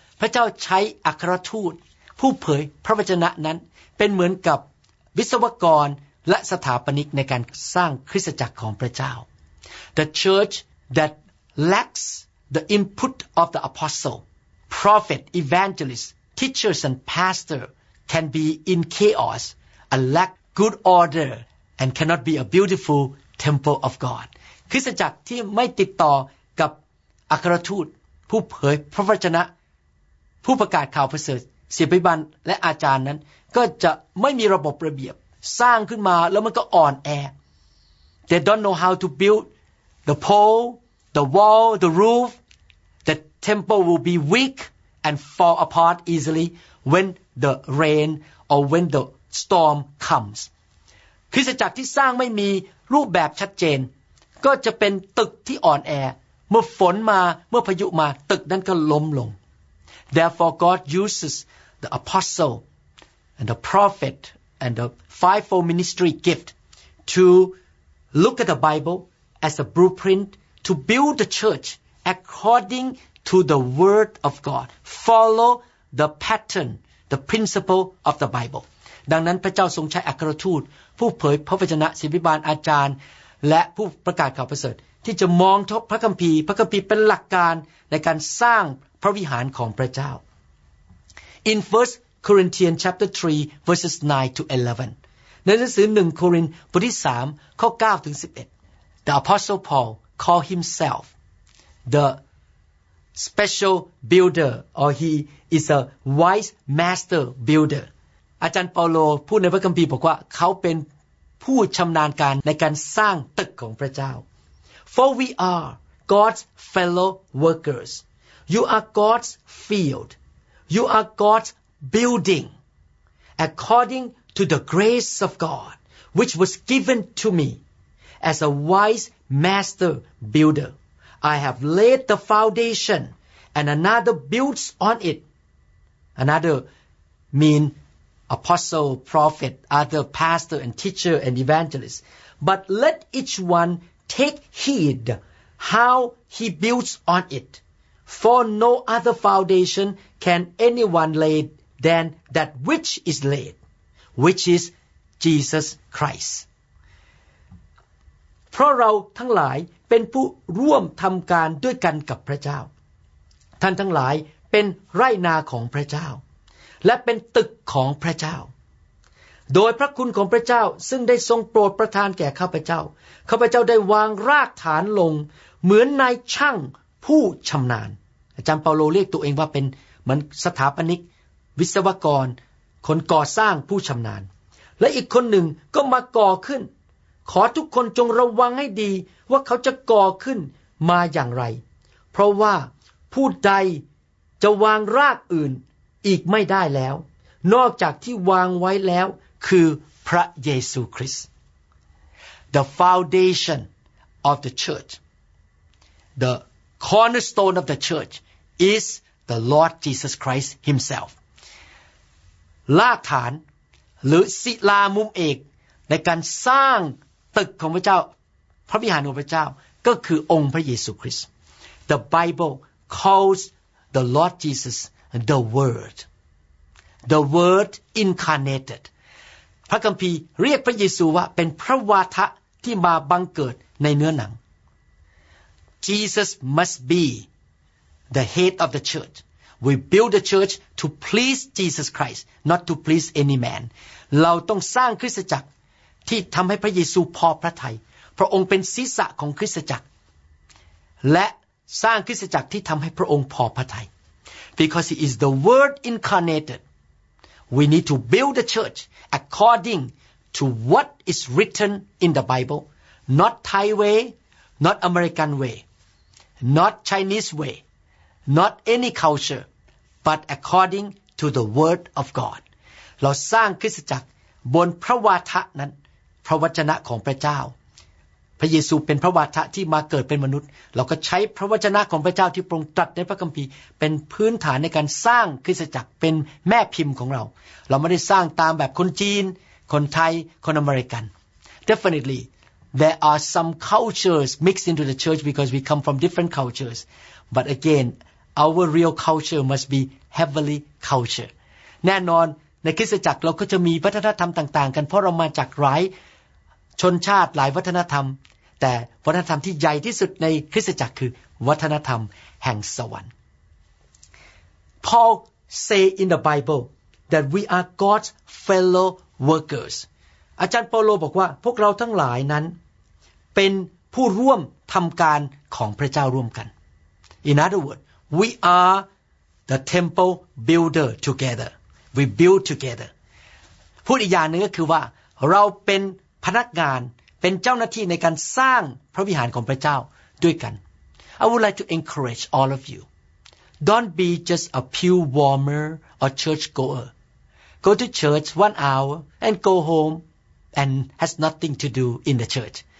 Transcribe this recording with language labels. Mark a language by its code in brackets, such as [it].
[th] พระเจ้าใช้อัครทูตผู้เผยพระวจนะนั้นเป็นเหมือนกับวิศวกรและสถาปนิกในการสร้างคริสตจักรของพระเจ้า [en] The church that lacks the input of the apostle, prophet, evangelist, teachers and pastor can be in chaos and lack good order and cannot be a beautiful temple of God. [th] คริสตจักรที่ไม่ติดต่อกับอัครทูตผู้เผยพระวจนะผู้ประกาศข่าวประเสริฐศิษย์ภิบาลและอาจารย์นั้นก็จะไม่มีระบบระเบียบสร้างขึ้นมาแล้วมันก็อ่อนแอ [en] They don't know how to build the pole, the wall, the roof. The temple will be weak and fall apart easily when the rain or when the storm comes. [th] คริสตจักรที่สร้างไม่มีรูปแบบชัดเจนก็จะเป็นตึกที่อ่อนแอเมื่อฝนมาเมื่อพายุมาตึกนั้นก็ล้มลง [en] Therefore, God uses the apostle and the prophet and the fivefold ministry gift to look at the Bible as a blueprint to build the church according to the word of God. Follow the pattern, the principle of the Bible. [th] ดังนั้นพระเจ้าทรงใช้อัครทูตผู้เผยพระวจนะศิษย์ภิบาลอาจารย์และผู้ประกาศข่าวประเสริฐที่จะมองทบพระคัมภีร์พระคัมภีร์เป็นหลักการในการสร้างพระวิหารของพระเจ้า [en] In 1 Corinthians chapter 3 verses 9 to 11 [th] ในหนังสือ1โครินธ์บทที่3ข้อ9ถึง11 [en] The Apostle Paul called himself the special builder or he is a wise master builder [th] อาจารย์เปาโลพูดในพระคัมภีร์บอกว่าเขาเป็นผู้ชำนาญการในการสร้างตึกของพระเจ้า [en] For we are God's fellow workersYou are God's field. You are God's building. According to the grace of God, which was given to me as a wise master builder, I have laid the foundation and another builds on it. Another mean apostle, prophet, other pastor and teacher and evangelist. But let each one take heed how he builds on it. For no other foundation can anyone lay than that which is laid, which is Jesus Christ. [th] เพราะเราทั้งหลายเป็นผู้ร่วมทำการด้วยกันกับพระเจ้าท่านทั้งหลายเป็นไร่นาของพระเจ้าและเป็นตึกของพระเจ้า โดยพระคุณของพระเจ้าซึ่งได้ทรงโปรดประทานแก่ข้าพเจ้าข้าพเจ้าได้วางรากฐานลงเหมือนนายช่างผู้ชำนาญอาจารย์เปาโลเรียกตัวเองว่าเป็นเหมือนสถาปนิกวิศวกรคนก่อสร้างผู้ชำนาญและอีกคนหนึ่งก็มาก่อขึ้น ขอทุกคนจงระวังให้ดีว่าเขาจะก่อขึ้นมาอย่างไรเพราะว่าผู้ใดจะวางรากอื่นอีกไม่ได้แล้วนอกจากที่วางไว้แล้วคือพระเยซูคริสต์ [en] The foundation of the church thecornerstone of the church is the Lord Jesus Christ himself. [th] รากฐานหรือศิลามุมเอกในการสร้างตึกของพระเจ้าพระวิหารของพระเจ้าก็คือองค์พระเยซูคริสต์ [en] The Bible calls the Lord Jesus the Word incarnated. [th] พระคัมภีร์เรียกพระเยซูว่าเป็นพระวาทะที่มาบังเกิดในเนื้อหนัง [en] Jesus must be the head of the church. We build the church to please Jesus Christ, not to please any man. [th] เราต้องสร้างคริสตจักรที่ทำให้พระเยซูพอพระทัยพระองค์เป็นศีรษะของคริสตจักรและสร้างคริสตจักรที่ทำให้พระองค์พอพระทัย [en] Because he is the Word incarnated, we need to build the church according to what is written in the Bible, not Thai way. Not American way, not Chinese way, not any culture, but according to the word of God. [th] เราสร้างคริสตจักรบนพระวาทะนั้นพระวจนะของพระเจ้าพระเยซูเป็นพระวาทะที่มาเกิดเป็นมนุษย์เราก็ใช้พระวจนะของพระเจ้าที่ทรงตรัสในพระคัมภีร์เป็นพื้นฐานในการสร้างคริสตจักรเป็นแม่พิมพ์ของเราเราไม่ได้สร้างตามแบบคนจีนคนไทยคนอเมริกัน [en] definitelyThere are some cultures mixed into the church because we come from different cultures. But again, our real culture must be heavenly culture. [th] แน่นอนในคริสตจักรเราก็จะมีวัฒนธรรมต่างๆกันเพราะเรามาจากหลายชนชาติหลายวัฒนธรรมแต่วัฒนธรรมที่ใหญ่ที่สุดในคริสตจักรคือวัฒนธรรมแห่งสวรรค์ [en] Paul say in the Bible that we are God's fellow workers. [th] อาจารย์เปาโลบอกว่าพวกเราทั้งหลายนั้นเป็นผู้ร่วมทำการของพระเจ้าร่วมกัน [en] In other words, we are the temple builder together. We build together. [th] พูดอีกอย่างนึงก็คือว่าเราเป็นพนักงานเป็นเจ้าหน้าที่ในการสร้างพระวิหารของพระเจ้าด้วยกัน [en] I would like to encourage all of you. Don't be just a pew warmer or church goer. Go to church 1 hour and go home and has nothing to do in the church.